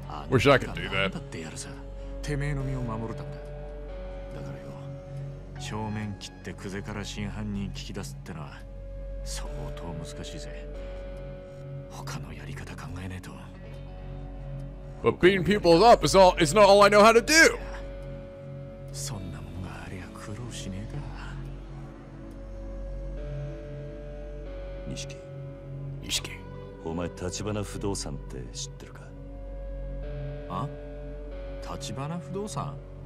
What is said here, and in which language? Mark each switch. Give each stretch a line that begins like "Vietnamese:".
English: Wish I could do that.
Japanese: だってやるさ、てめえの身を守るためだ. 正面切ってクゼから真犯人聞き出すってのは相当難しいぜ。他のやり方考えねえと。
English: But beating people up is all it's not all I know how to do.
Japanese: そんなもんがありゃ苦労しねえか。錦。錦。お前橘不動産って知ってるか?あ? 橘不動産?